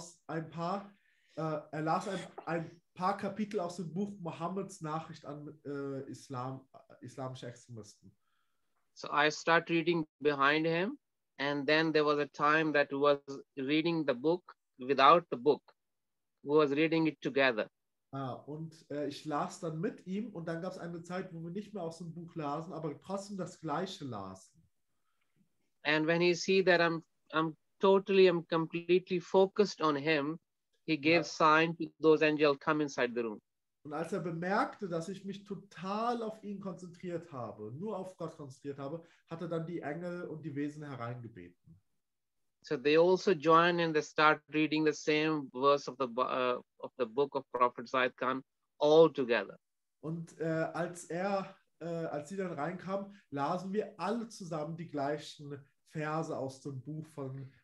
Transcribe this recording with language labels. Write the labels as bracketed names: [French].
[German] Er las ein paar Kapitel aus dem Buch Muhammads Nachricht an islamische Extremisten. [English] So I start reading behind him, and then there was a time that was reading the book without the book. We was reading it together. [German] Ich las dann mit ihm, und dann gab es eine Zeit, wo wir nicht mehr aus dem Buch lasen, aber trotzdem das Gleiche lasen. [English] And when he see that I'm completely focused on him, he gave sign to those angels, come inside the room. [German] Und als er bemerkte, dass ich mich total auf ihn konzentriert habe, nur auf Gott konzentriert habe, hat er dann die Engel und die Wesen hereingebeten. [English] So they also join and they start reading the same verse of the book of Prophet Zahid Khan all together. [German] Und als sie dann reinkam, lasen wir alle zusammen die gleichen Verse aus dem Buch von